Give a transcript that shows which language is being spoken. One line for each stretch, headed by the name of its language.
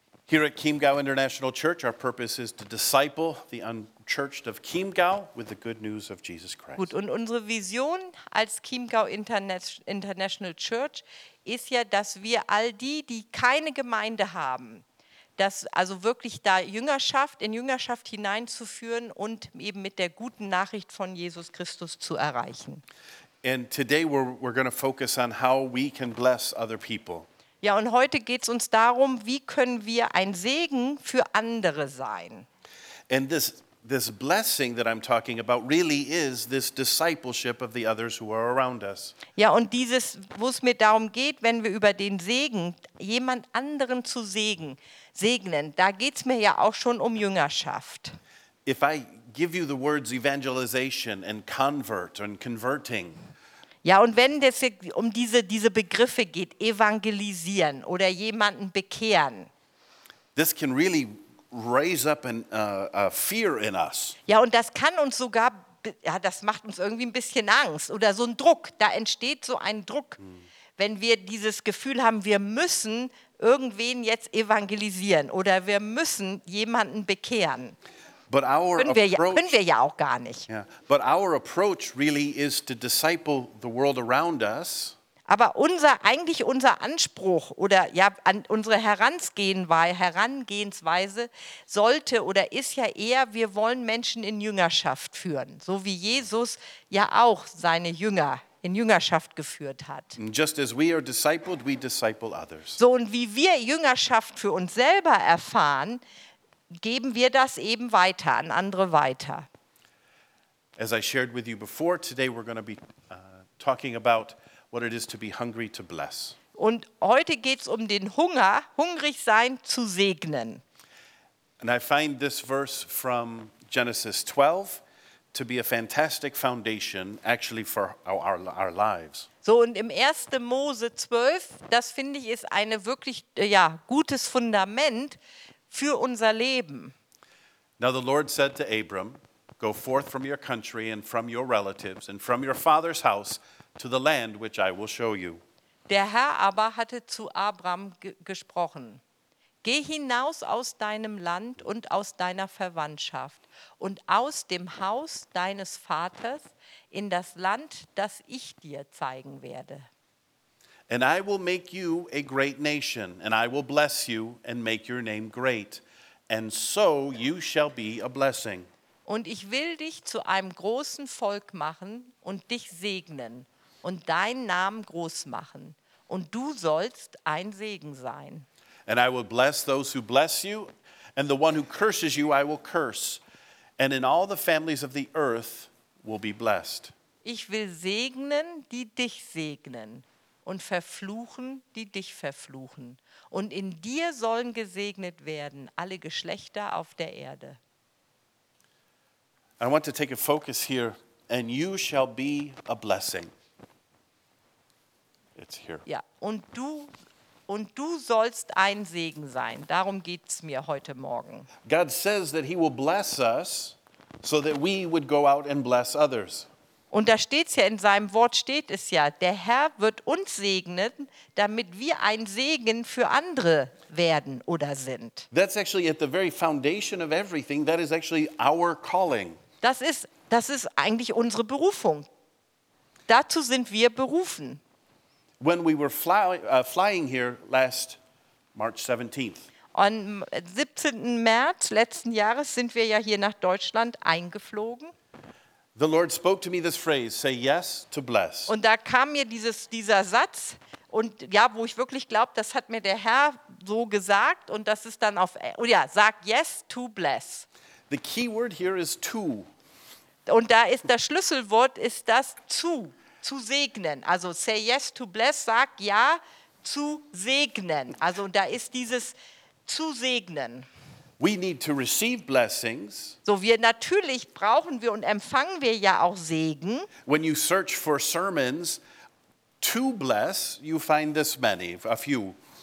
English: Here at Kimgao International Church, our purpose is to disciple the unchurched of Kimgao with the good news of Jesus Christ.
German: Gut, und unsere Vision als Kimgao International Church ist ja, dass wir all die, die keine Gemeinde haben, dass also wirklich da Jüngerschaft hineinzuführen und eben mit der guten Nachricht von Jesus Christus zu erreichen.
English: And today we're going to focus on how we can bless other people.
German: Ja, und heute geht's uns darum, wie können wir ein Segen für andere sein?
English: And this blessing that I'm talking about really is this discipleship of the others who are around us.
German: Ja, und dieses, wo es mir darum geht, wenn wir über den Segen, jemand anderen zu segnen, da geht's mir ja auch schon um Jüngerschaft.
English: If I give you the words evangelization and convert and converting.
German: Ja, und wenn es um diese Begriffe geht, evangelisieren oder jemanden bekehren.
English: This can really raise up a fear in us.
German: Ja, und das kann uns sogar, ja, das macht uns irgendwie ein bisschen Angst oder so ein Druck. Da entsteht so ein Druck, wenn wir dieses Gefühl haben, wir müssen irgendwen jetzt evangelisieren oder wir müssen jemanden bekehren.
English: But our
German: können wir ja auch gar nicht.
English: Yeah. But our approach really is to disciple the world around us.
German: Aber unser Anspruch oder ja an unsere Herangehensweise sollte oder ist ja eher, wir wollen Menschen in Jüngerschaft führen, so wie Jesus ja auch seine Jünger in Jüngerschaft geführt hat.
English: Just as we are discipled, we disciple others.
German: So, und wie wir Jüngerschaft für uns selber erfahren, geben wir das eben weiter, an andere weiter.
English: As I shared with you before, today we're going to be talking about what it is to be hungry to bless.
German: Und heute geht's um den Hunger, hungrig sein zu segnen.
English: And I find this verse from Genesis 12 to be a fantastic foundation actually for our lives.
German: So, und im 1. Mose 12, das finde ich ist eine wirklich ja, gutes Fundament für unser Leben.
English: Now the Lord said to Abram, go forth from your country and from your relatives and from your father's house to the land which I will show you.
German: Der Herr aber hatte zu Abram gesprochen. Geh hinaus aus deinem Land und aus deiner Verwandtschaft und aus dem Haus deines Vaters in das Land, das ich dir zeigen werde.
English: And I will make you a great nation, and I will bless you and make your name great, and so you shall be a blessing.
German: Und ich will dich zu einem großen Volk machen und dich segnen und deinen Namen groß machen, und du sollst ein Segen sein.
English: And I will bless those who bless you, and the one who curses you I will curse, and in all the families of the earth will be blessed.
German: Ich will segnen, die dich segnen, und verfluchen, die dich verfluchen. Und in dir sollen gesegnet werden alle Geschlechter auf der Erde.
English: I want to take a focus here, and you shall be a blessing. It's here.
German: Ja, und du sollst ein Segen sein. Darum geht's mir heute Morgen.
English: God says that he will bless us so that we would go out and bless others.
German: Und da steht es ja, in seinem Wort steht es ja, der Herr wird uns segnen, damit wir ein Segen für andere werden oder sind.
English: That's actually at the very foundation of everything. That is actually our calling.
German: Das ist eigentlich unsere Berufung. Dazu sind wir berufen.
English: When we were flying here last March 17th.
German: Am 17. März letzten Jahres sind wir ja hier nach Deutschland eingeflogen.
English: The Lord spoke to me this phrase, say yes to bless.
German: Und da kam mir dieser Satz, und ja, wo ich wirklich glaube, das hat mir der Herr so gesagt, und das ist dann auf, oh ja, sag
English: yes to bless. The key word here is to.
German: Und da ist das Schlüsselwort, ist das zu segnen. Also
English: say yes to bless,
German: sag ja zu segnen. Also da ist dieses zu segnen.
English: We need to receive blessings.
German: So, wir natürlich brauchen wir und empfangen wir ja auch Segen.
English: When you search for sermons to bless, you find this many, a few.